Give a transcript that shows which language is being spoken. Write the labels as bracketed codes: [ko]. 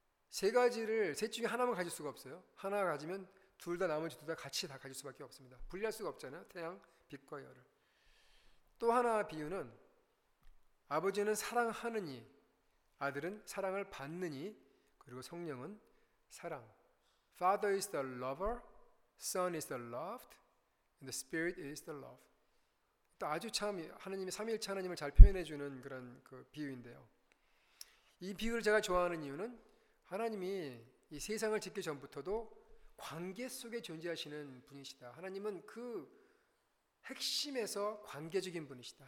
[ko] 세 가지를 셋 중에 하나만 가질 수가 없어요. 하나 가지면 둘 다 나머지 둘 다 같이 다 가질 수밖에 없습니다. 분리할 수가 없잖아요. 태양, 빛과 열을. 또 하나 비유는 아버지는 사랑하느니 아들은 사랑을 받느니 그리고 성령은 사랑. [en] Father is the lover, Son is the loved, and the Spirit is the love. [ko] 또 아주 참 하나님이 삼위일체 하나님을 잘 표현해주는 그런 그 비유인데요. 이 비유를 제가 좋아하는 이유는 하나님이 이 세상을 짓기 전부터도 관계 속에 존재하시는 분이시다. 하나님은 그 핵심에서 관계적인 분이시다.